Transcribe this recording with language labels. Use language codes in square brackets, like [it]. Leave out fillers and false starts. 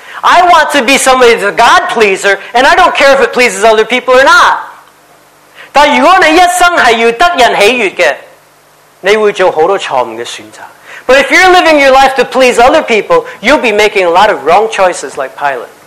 [en] I want to be somebody that's a God pleaser, and I don't care if it pleases other people or not. [zh] 但如果你一生是要得人喜悦的，你会做很多错误的选择。 [en] But if you're living your life to please other people, you'll be making a lot of wrong choices like Pilate.